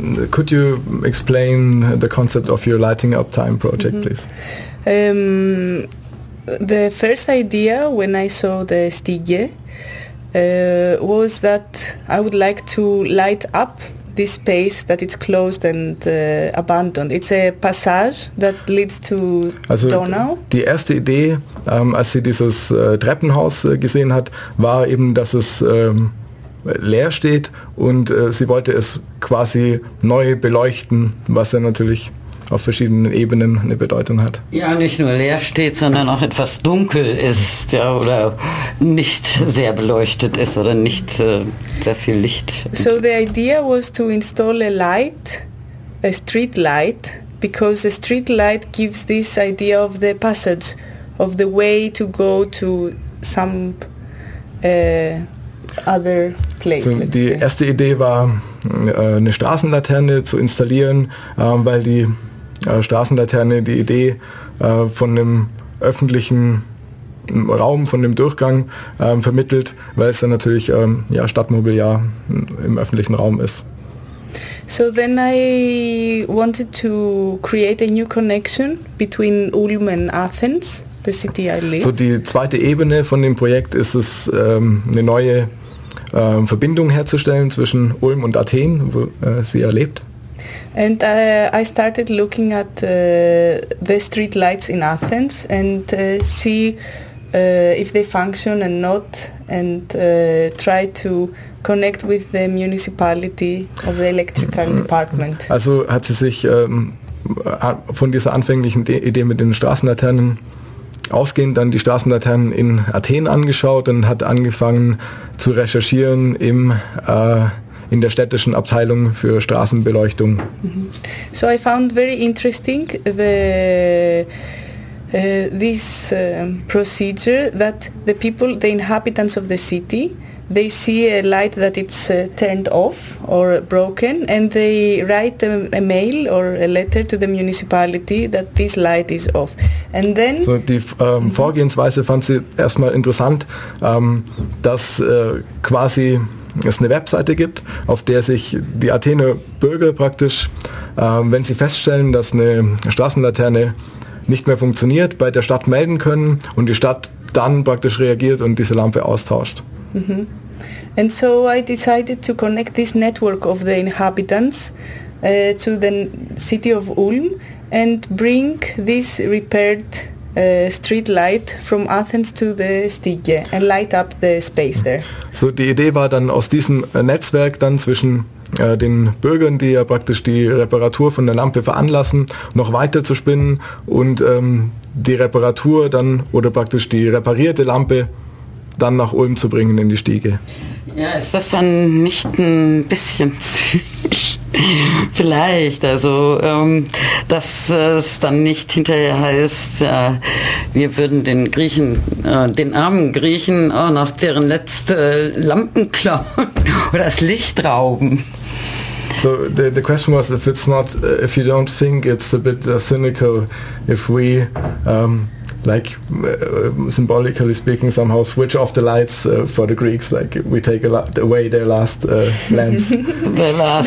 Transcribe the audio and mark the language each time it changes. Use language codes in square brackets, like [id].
[en] Could you explain the concept of your Lighting Up Time project, please? The first idea when I saw the Stiege was that I would like to light up this space that it's closed and abandoned. It's a passage that leads to also [de] Donau. Die erste Idee, als sie dieses Treppenhaus gesehen hat, war eben, dass es leer steht und sie wollte es quasi neu beleuchten, was ja natürlich auf verschiedenen Ebenen eine Bedeutung hat. Ja, nicht nur leer steht, sondern auch etwas dunkel ist, ja, oder nicht sehr beleuchtet ist oder nicht sehr viel Licht. [en] So the idea was to install a light, a street light, because a street light gives this idea of the passage, of the way to go to some other place. [de] So, die erste Idee war, eine Straßenlaterne zu installieren, weil die Straßenlaterne die Idee von einem öffentlichen Raum, von dem Durchgang vermittelt, weil es dann natürlich Stadtmobiliar im öffentlichen Raum ist. [en] So then I wanted to create a new connection between Ulm and Athens, the city I live. [de] So die zweite Ebene von dem Projekt ist es, eine neue Verbindung herzustellen zwischen Ulm und Athen, wo sie erlebt. [en] And I started looking at the street lights in Athens and see if they function and not, and try to connect with the municipality of the electrical department. [de] Also hat sie sich von dieser anfänglichen Idee mit den Straßenlaternen ausgehend dann die Straßenlaternen in Athen angeschaut und hat angefangen zu recherchieren im in der städtischen Abteilung für Straßenbeleuchtung. [en] So I found very interesting the this procedure that the people, the inhabitants of the city, they see a light that it's turned off or broken and they write a mail or a letter to the municipality that this light is off. And then [de] so die Vorgehensweise fand sie erstmal interessant, dass quasi es eine Webseite gibt, auf der sich die Athener Bürger praktisch, wenn sie feststellen, dass eine Straßenlaterne nicht mehr funktioniert, bei der Stadt melden können und die Stadt dann praktisch reagiert und diese Lampe austauscht. Mm-hmm. [en] And so I decided to connect this network of the inhabitants to the city of Ulm and bring this repaired street light from Athens to the Stiege and light up the space there. [de] So die Idee war dann aus diesem Netzwerk dann zwischen den Bürgern, die ja praktisch die Reparatur von der Lampe veranlassen, noch weiter zu spinnen und die Reparatur dann oder praktisch die reparierte Lampe dann nach Ulm zu bringen in die Stiege. Ja, ist das dann nicht ein bisschen zynisch? Vielleicht, also dass es dann nicht hinterher heißt, wir würden den Griechen, den armen Griechen auch noch deren letzte Lampen klauen oder das Licht rauben. [en] So the question was, if it's not, if you don't think it's a bit cynical, if we like symbolically speaking somehow switch off the lights for the Greeks, like we take away their last lamps. Their last.